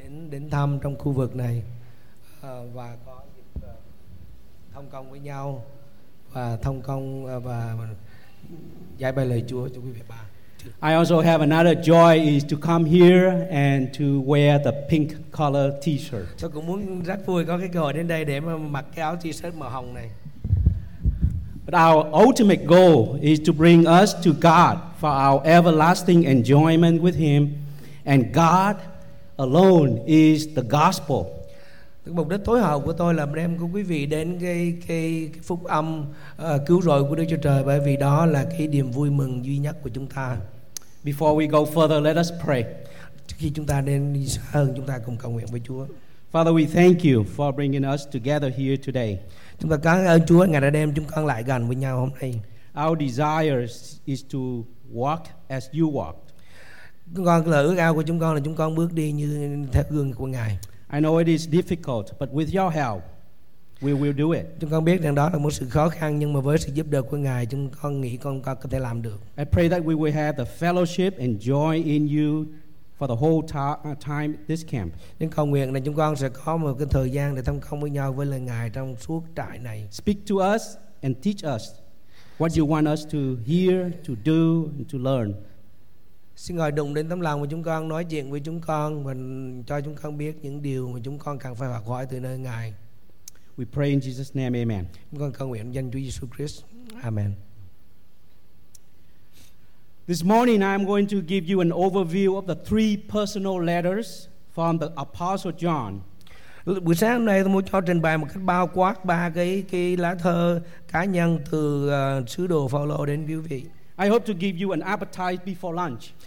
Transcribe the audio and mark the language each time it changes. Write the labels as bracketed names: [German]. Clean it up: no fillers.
[Vietnamese] Đến thăm trong khu vực này và có dịp thông công với nhau và thông công và giải bày lời Chúa cho quý vị ba. [English] I also have another joy is to come here and to wear the pink color t-shirt. [Vietnamese] Tôi cũng muốn rất vui có cái cơ hội đến đây để mà mặc cái áo t-shirt màu hồng này. [English] But our ultimate goal is to bring us to God for our everlasting enjoyment with Him, and God alone is the gospel. [Vietnamese] Mục đích tối hậu của tôi là đem của quý vị đến cái phúc âm cứu rỗi của Đức Chúa Trời, bởi vì đó là cái niềm vui mừng duy nhất của chúng ta. [English] Before we go further, let us pray. [Vietnamese] Trước khi chúng ta đến đi xa hơn, chúng ta cùng cầu nguyện với Chúa. [English] Father, we thank you for bringing us together here today. [Vietnamese] Chúng ta cảm ơn Chúa Ngài đã đem chúng con lại gần với nhau hôm nay. [English] Our desire is to walk as you walk. [Vietnamese] Chúng con là ước ao của chúng con là chúng con bước đi như theo gương của Ngài. [English] I know it is difficult, but with your help, we will do it. [Vietnamese] Chúng con biết rằng đó là một sự khó khăn, nhưng mà với sự giúp đỡ của Ngài, chúng con nghĩ con có thể làm được. [English] I pray that we will have the fellowship and joy in you for the whole time this camp. [Vietnamese] Chúng con cầu nguyện là chúng con sẽ có một cái thời gian để thông công với nhau với lời Ngài trong suốt trại này. [English] Speak to us and teach us what you want us to hear, to do, and to learn. [Vietnamese] Xin Ngài đụng đến tấm lòng của chúng con, nói chuyện với chúng con và cho chúng con biết những điều mà chúng con cần phải học hỏi từ nơi Ngài. [English] We pray in Jesus' name, amen. [Vietnamese] Chúng con cầu nguyện danh Chúa Jesus Christ, amen. [English] This morning I'm going to give you an overview of the three personal letters from the Apostle John. [Vietnamese] Buổi sáng hôm nay tôi muốn cho trình bày một cách bao quát ba cái lá thư cá nhân từ sứ đồ Phaolô đến quý vị. [English] I hope to give you an appetite before lunch.